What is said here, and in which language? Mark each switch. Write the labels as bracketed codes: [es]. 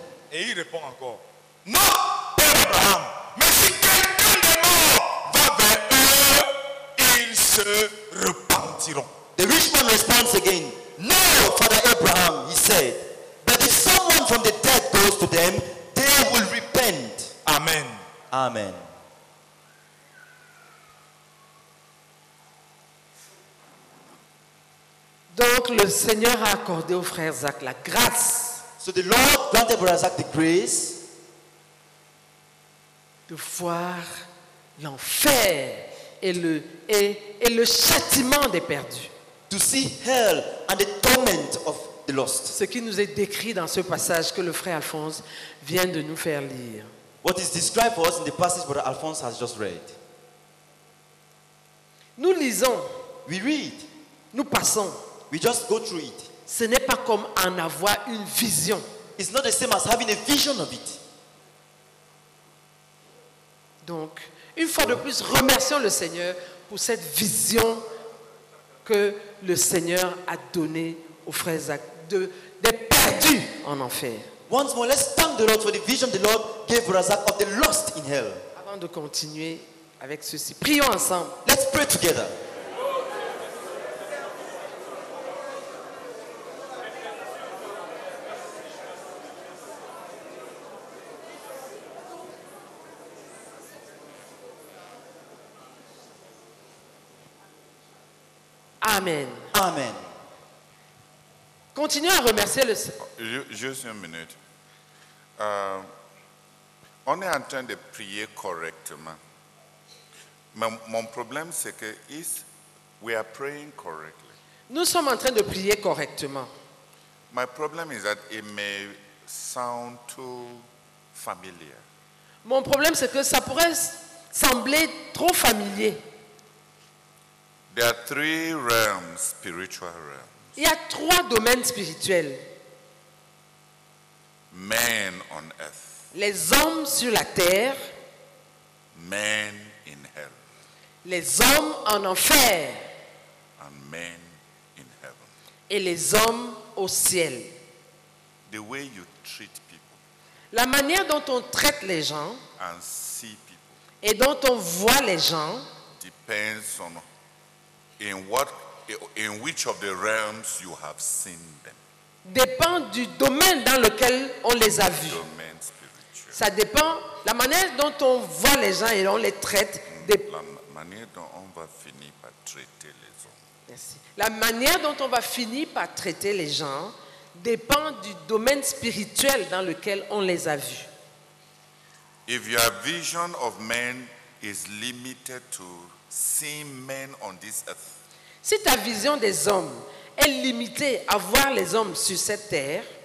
[fr] Et il répond encore, non, Père Abraham, mais si quelqu'un des morts va vers eux, ils se repentiront. [en] The rich man responds again, no, Father Abraham, he said, but if someone from the dead goes to them, they will repent. Amen. Amen. [fr] Donc le Seigneur a accordé au frère Zach la grâce. [en] So the Lord granted Brother Zach the grace [fr] de voir l'enfer et le châtiment des perdus. [en] To see hell and the torment of the lost. [fr] Ce qui nous est décrit dans ce passage que le frère Alphonse vient de nous faire lire. [en] What is described for us in the passage Brother Alphonse has just read. [fr] Nous lisons. [en] We read. [fr] Nous passons. [en] We just go through it. [fr] Ce n'est pas comme en avoir une vision. [en] It's not the same as having a vision of it. [fr] Donc, une fois de plus, remercions le Seigneur pour cette vision que le Seigneur a donnée aux frères Zach des perdus en enfer. [en] Once more, let's thank the Lord for the vision the Lord gave Brother Zach of the lost in hell. [fr] Avant Avant de continuer avec ceci, prions ensemble. [en] Let's pray together. Amen. Amen. [fr] Continuez à remercier le Seigneur. Juste une minute. On est en train de prier correctement. Mais mon problème, c'est que [en] we are praying correctly. [fr] Nous sommes en train de prier correctement. [en] My problem is that it may sound too familiar. [fr] Mon problème, c'est que ça pourrait sembler trop familier. [en] There are three realms, spiritual realms. [fr] Il y a trois domaines spirituels. [en] Man on earth. [fr] Les hommes sur la terre. [en] Man in hell. [fr] Les hommes en enfer. [en] And man in heaven. [fr] Et les hommes au ciel. [en] The way you treat people. [fr] La manière dont on traite les gens. [en] And see people. [fr] Et dont on voit les gens. [en] Depends on in which of the realms you have seen them. [fr] Dépend du domaine dans lequel on les a vus. Ça dépend la manière dont on voit les gens et on les traite. La manière dont on va finir par traiter les hommes. Merci. La manière dont on va finir par traiter les gens dépend du domaine spirituel dans lequel on les a vus. [en] If your vision of man is limited to seeing men on this earth. [fr] Si ta vision des hommes est limitée à voir les hommes sur cette terre,